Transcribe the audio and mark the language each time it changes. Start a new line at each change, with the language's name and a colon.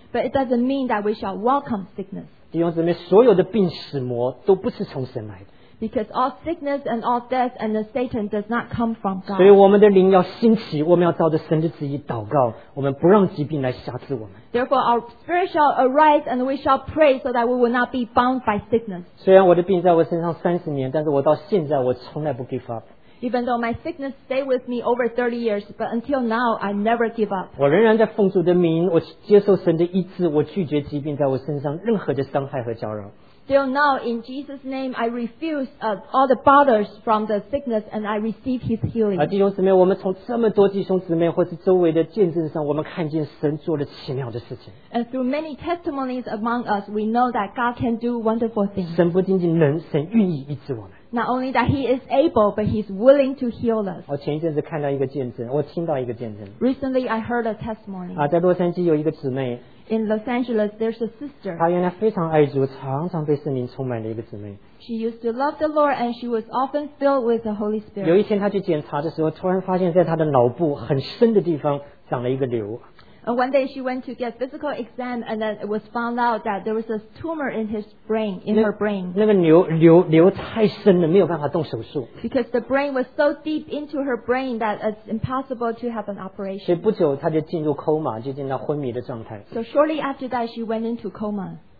English: But it doesn't mean that we shall welcome sickness.
Chinese: 弟兄姊妹, 所有的病死魔都不是从神来的。
English: Because all sickness and all death and the Satan does not come from God.
Chinese: 所以我们的灵要兴起, 我们要照着神的旨意祷告, 我们不让疾病来辖制我们。
English: Therefore our spirit shall arise and we shall pray so that we will not be bound by sickness.
Chinese: 虽然我的病在我身上30年, 但是我到现在我从来不
English: give up。 Even though my sickness stayed with me over 30 years, but until now, I never give up.
Chinese: 我仍然在奉主的名, 我接受神的医治, 我拒绝疾病在我身上, 任何的伤害和搅扰。
English: Still now, in Jesus' name, I refuse all the bothers from the sickness and I receive his healing.
Chinese: 弟兄姊妹, 我们从这么多弟兄姊妹, 或是周围的见证上, 我们看见神做了奇妙的事情。
English: And through many testimonies among us, we know that God can do wonderful things.
Chinese: 神不仅仅能, 神愿意医治我们。
English: Not only that he is able, but he's willing to heal us.
Chinese: 我听到一个见证。
English: Recently, I heard a testimony.
Chinese: 在洛杉矶有一个姊妹。
English: In Los Angeles, there's a sister.
Chinese: 她原来非常爱主，常常被圣灵充满的一个姊妹。
English: She used to love the Lord, and she was often filled with the Holy Spirit.
Chinese: 有一天她去检查的时候，突然发现在她的脑部很深的地方长了一个瘤。
English: And one day she went to get physical exam, and then it was found out that there was a tumor in his brain, in her brain.
Chinese: 那个瘤太深了，没有办法动手术。
English: Because the brain was so deep into her brain that it's impossible to have an operation.
Chinese: 所以不久她就进入 coma, 就进入昏迷的状态。
English: So shortly after that, she went into coma.